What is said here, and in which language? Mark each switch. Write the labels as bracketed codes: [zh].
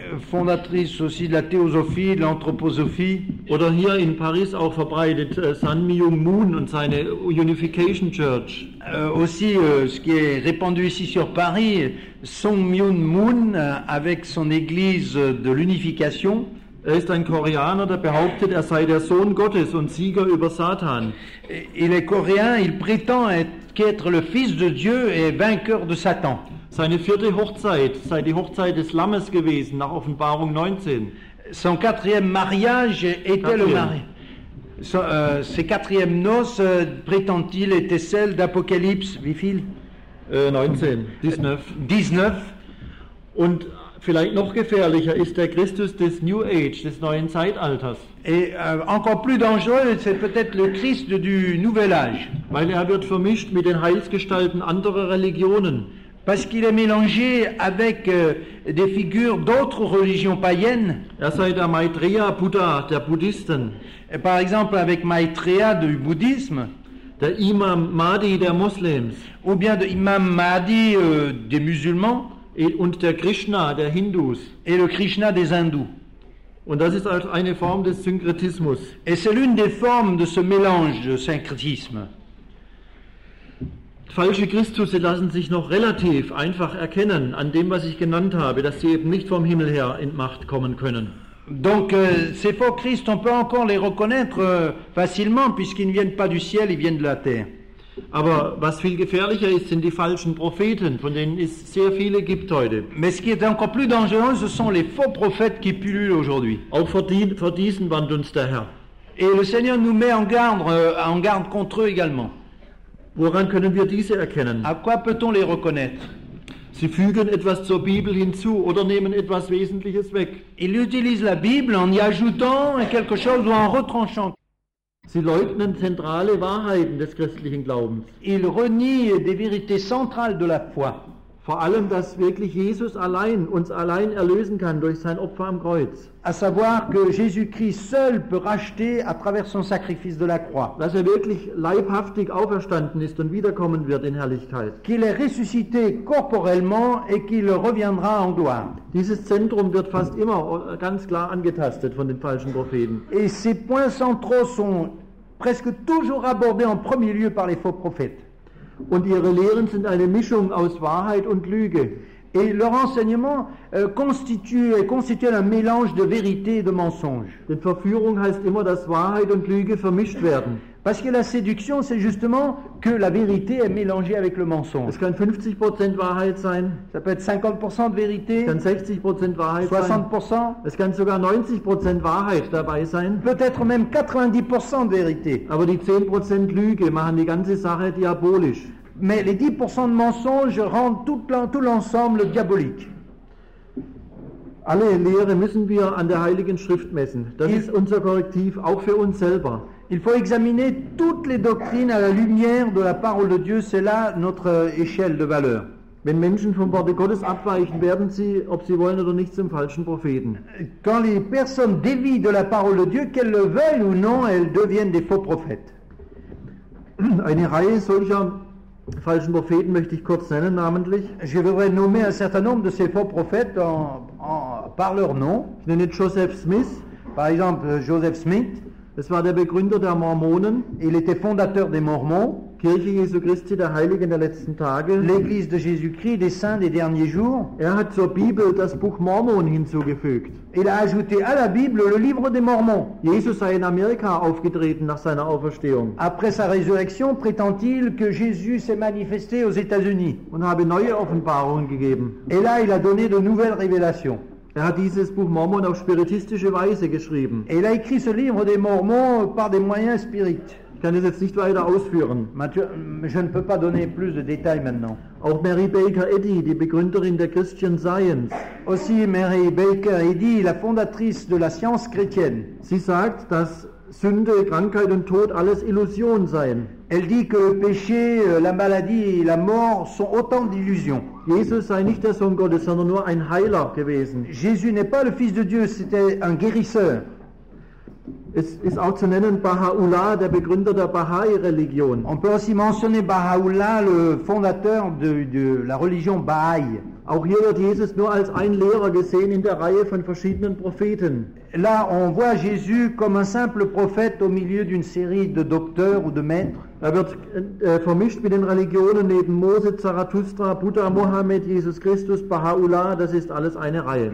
[fr] Fondatrice aussi de la Theosophie, de l'Anthroposophie. [de] Oder hier in Paris auch verbreitet, San Myung Moon und seine Unification Church. [fr] Aussi, ce qui est répandu ici sur Paris, Song Myung Moon avec son église de l'unification. [de] Er ist ein Koreaner, der behauptet, er sei der Sohn Gottes und Sieger über Satan. [fr] Il est coréen, il prétend qu'être le fils de Dieu et vainqueur de Satan. [de] Seine vierte Hochzeit sei die Hochzeit des Lammes gewesen, nach Offenbarung 19. [fr] Son quatrième mariage était le mari. Ses quatrième noces, prétend-il, était celle d'Apocalypse, [de] wie viel? 19. Und vielleicht noch gefährlicher ist der Christus des New Age, des neuen Zeitalters. [fr] Et encore plus dangereux, c'est peut-être le Christ du Nouvel Âge. [de] Weil er wird vermischt mit den Heilsgestalten anderer Religionen. [fr] Parce qu'il est mélangé avec des figures d'autres religions païennes. [de] Er sei der Maitreya Buddha, der Buddhisten. [fr] Et par exemple avec Maitreya du bouddhisme. [de] Der Imam Mahdi der Muslims. [fr] Ou bien de Imam Mahdi des musulmans. [de] Und der Krishna der Hindus. [fr] Et le Krishna des hindous. [de] Und das ist also eine Form des Synkretismus. [fr] Et c'est l'une des formes de ce mélange de syncrétisme. [de] Falsche Christus, sie lassen sich noch relativ einfach erkennen an dem, was ich genannt habe, dass sie eben nicht vom Himmel her in Macht kommen können. [fr] Donc, ces faux Christ, on peut encore les reconnaître facilement, puisqu'ils ne viennent pas du ciel, ils viennent de la terre. [de] Aber was viel gefährlicher ist, sind die falschen Propheten, von denen es sehr viele gibt heute. [fr] Mais ce qui est encore plus dangereux, ce sont les faux prophètes qui pullulent aujourd'hui. [de] Auch vor diesen warnt uns der Herr. [fr] Et le Seigneur nous met en garde contre eux également. [de] Woran können wir diese erkennen? [fr] À quoi peut-on les reconnaître? [de] Sie fügen etwas zur Bibel hinzu oder nehmen etwas Wesentliches weg. [fr] Ils utilisent la Bible en y ajoutant quelque chose ou en retranchant. [de] Sie leugnen zentrale Wahrheiten des christlichen Glaubens. [fr] Ils renient des vérités centrales de la foi. [de] Vor allem, dass wirklich Jesus allein uns allein erlösen kann durch sein Opfer am Kreuz. [fr] À savoir que Jésus-Christ seul peut racheter à travers son sacrifice de la croix. [de] Dass er wirklich leibhaftig auferstanden ist und wiederkommen wird in Herrlichkeit. [fr] Qu'il est ressuscité corporellement et qu'il reviendra en gloire. [de] Dieses Zentrum wird fast immer ganz klar angetastet von den falschen Propheten. [fr] Et ces points centraux sont presque toujours abordés en premier lieu par les faux prophètes. [de] Und ihre Lehren sind eine Mischung aus Wahrheit und Lüge. [fr] Et leur enseignement constitue un mélange de vérité et de mensonge. [de] Denn Verführung heißt immer, dass Wahrheit und Lüge vermischt werden. [fr] Parce que la séduction, c'est justement que la vérité est mélangée avec le mensonge. [de] Es kann 50% Wahrheit sein. [fr] Ça peut être 50% de vérité. [de] Es kann 60% Wahrheit [fr] 60%. [de] Sein. Es kann sogar 90% Wahrheit dabei sein. [fr] Peut-être même 90% de vérité. [de] Aber die 10% Lüge machen die ganze Sache diabolisch. [fr] Mais les 10% de mensonge rendent tout l'ensemble diabolique. [de] Alle Lehre müssen wir an der Heiligen Schrift messen. Das ist unser Korrektiv, auch für uns selber. [fr] Il faut examiner toutes les doctrines à la lumière de la parole de Dieu, c'est là notre échelle de valeur. [de] Wenn Menschen vom Worte Gottes abweichen, werden sie, ob sie wollen oder nicht, zum falschen Propheten. [fr] Quand les personnes dévient de la parole de Dieu, qu'elles le veuillent ou non, elles deviennent des faux prophètes. [de] Eine Reihe solcher falschen Propheten möchte ich kurz nennen, namentlich. [fr] Je voudrais nommer un certain nombre de ces faux prophètes par leur nom. [de] Je nenne Joseph Smith. [fr] Par exemple, Joseph Smith. [de] Es war der Begründer der Mormonen. [fr] Il était fondateur des Mormons. [de] Kirche Jesu Christi, der Heiligen der letzten Tage. [fr] L'Église de Jésus-Christ, des Saints des derniers jours. [de] Er hat zur Bibel das Buch Mormon hinzugefügt. [fr] Il a ajouté à la Bible le livre des Mormons. [de] Jesus sei in Amerika aufgetreten nach seiner Auferstehung. [fr] Après sa résurrection, prétend-il que Jésus s'est manifesté aux États-Unis. [de] Und habe neue Offenbarungen gegeben. [fr] Et là, il a donné de nouvelles révélations. [de] Er hat dieses Buch Mormon auf spiritistische Weise geschrieben. [fr] Et il a écrit ce livre des Mormons par des moyens spirites. [de] Ich kann es jetzt nicht weiter ausführen. [fr] Je ne peux pas donner plus de détails maintenant. [de] Auch Mary Baker Eddy, die Begründerin der Christian Science. [fr] Aussi Mary Baker Eddy, la fondatrice de la science chrétienne. [de] Sie sagt, dass Sünde, Krankheit und Tod alles Illusion seien. [fr] Elle dit que le péché, la maladie et la mort sont autant d'illusions. [de] Jesus sei nicht der Sohn Gottes, sondern nur ein Heiler gewesen. [fr] Jésus n'est pas le fils de Dieu, c'était un guérisseur. [de] Es ist auch zu nennen Baha'u'llah, der Begründer der Baha'i-Religion. [fr] On peut aussi mentionner Baha'u'llah, le fondateur de la religion Baha'i. [de] Auch hier wird Jesus nur als ein Lehrer gesehen in der Reihe von verschiedenen Propheten. [fr] Là, on voit Jésus comme un simple prophète au milieu d'une série de docteurs ou de maîtres. [de] Er wird vermischt mit den Religionen neben Mose, Zarathustra, Buddha, Mohammed, Jesus Christus, Baha'u'llah, das ist alles eine Reihe.